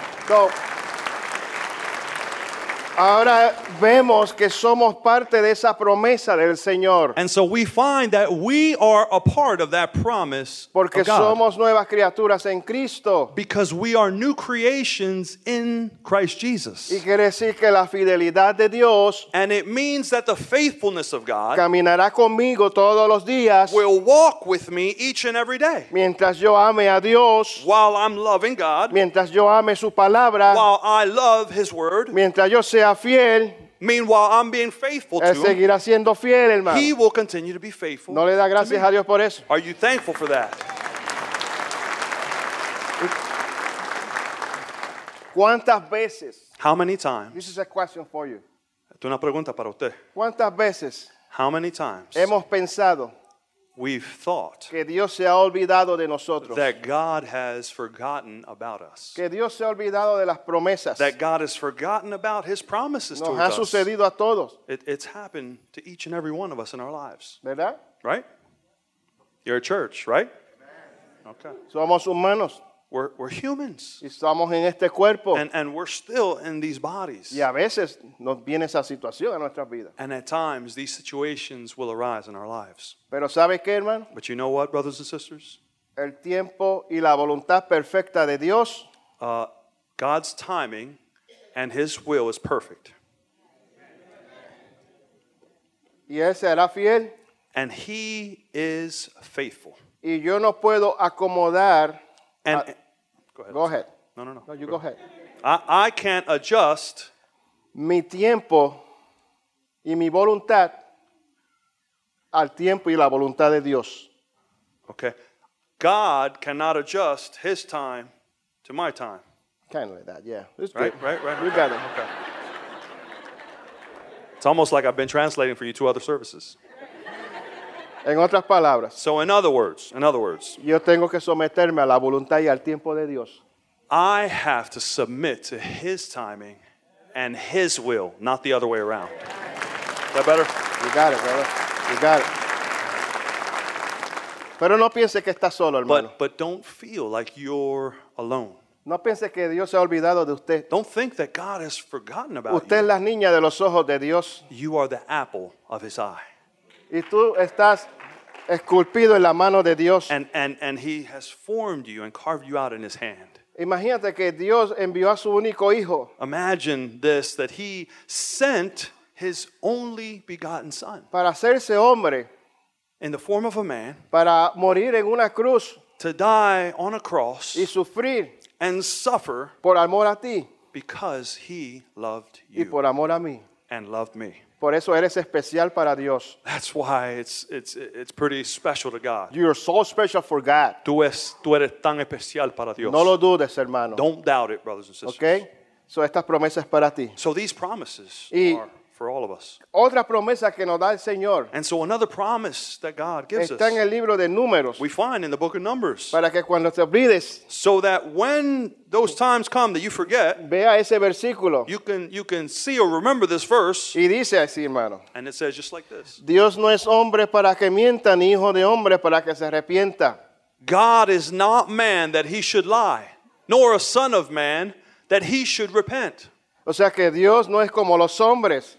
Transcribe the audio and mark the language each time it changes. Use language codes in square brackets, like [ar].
[es] So, ahora vemos que somos parte de esa promesa del Señor. [en] And so we find that we are a part of that promise. [es] Porque [en] of God. [es] Somos nuevas criaturas en Cristo. [en] Because we are new creations in Christ Jesus. [es] Y quiere decir que la fidelidad de Dios, [en] and it means that the faithfulness of God, [es] caminará conmigo todos los días, [en] will walk with me each and every day. [es] Mientras yo ame a Dios, [en] while I'm loving God, [es] mientras yo ame su palabra, [en] while I love his word, [es] mientras yo sea fiel, [en] meanwhile I'm being faithful to [es] seguirá [en] him, [es] siendo fiel, hermano. [en] He will continue to be faithful. [es] No le da gracias a Dios por eso. [en] Are you thankful for that? [es] ¿Cuántas veces? [en] How many times? This is a question for you. [es] Esto es una pregunta para usted. ¿Cuántas veces? [en] How many times? [es] Hemos pensado. [en] We've thought. [es] Que Dios se ha olvidado de nosotros. [en] That God has forgotten about us. [es] Que Dios se ha olvidado de las promesas. [en] That God has forgotten about his promises [es] nos [en] to [es] ha [en] us. [es] Sucedido a todos. [en] It's happened to each and every one of us in our lives. [es] ¿Verdad? [en] Right? You're a church, right? Amen. Okay. [es] Somos humanos. [en] We're humans. [es] Y estamos en este cuerpo. [en] And we're still in these bodies. [es] Y a veces nos viene esa situación a nuestras vidas. [en] And at times these situations will arise in our lives. [es] Pero ¿sabe qué, hermano? [en] But you know what, brothers and sisters? [es] El tiempo y la voluntad perfecta de Dios. [en] God's timing and his will is perfect. [es] Y él será fiel. [en] And he is faithful. [es] Y yo no puedo acomodar. [en] And, go ahead. No. No, you go ahead. I can't adjust [es] mi tiempo y mi voluntad al tiempo y la voluntad de Dios. [en] Okay. God cannot adjust his time to my time. Kind of like that, yeah. It's right, good. Right. You got it. Okay. It's almost like I've been translating for you two other services. [es] En otras palabras, [en] so in other words, [es] yo tengo que someterme a la voluntad y al tiempo de Dios. [en] I have to submit to his timing and His will, not the other way around. Is that better? You got it, brother. You got it. [es] Pero no piense que está solo, hermano. [en] But don't feel like you're alone. [es] No piense que Dios se ha olvidado de usted. [en] Don't think that God has forgotten about [es] usted [en] you. [es] Es la niña de los ojos de Dios. [en] You are the apple of His eye. [es] Y tú estás esculpido en la mano de Dios. [en] And He has formed you and carved you out in His hand. [es] Imagínate que Dios envió a su único hijo. [en] Imagine this, that He sent His only begotten Son. [es] Para hacerse hombre. [en] In the form of a man. [es] Para morir en una cruz. [en] To die on a cross. [es] Y sufrir. [en] And suffer. [es] Por amor a ti. [en] Because He loved you. [es] Y por amor a mí. [en] And loved me. [es] Por eso eres especial para Dios. [en] That's why it's pretty special to God. You're so special for God. [es] Tú eres tan especial para Dios. No lo dudes, hermano. [en] Don't doubt it, brothers and sisters. Okay? [es] So estas promesas es para ti. [en] So these promises [es] y [en] are for all of us. [es] Otra promesa que nos da el Señor. [en] And so another promise that God gives [es] está en el libro de Números. [en] We find in the book of Numbers. [es] Para que cuando te olvides, [en] so that when those times come that you forget, [es] vea ese versículo. [en] You can see or remember this verse. [es] Y dice así, hermano. [en] And it says just like this. [es] Dios no es hombre para que mienta, ni hijo de hombre para que se arrepienta. [en] God is not man that He should lie, nor a son of man that He should repent. [es] O sea que Dios no es como los hombres.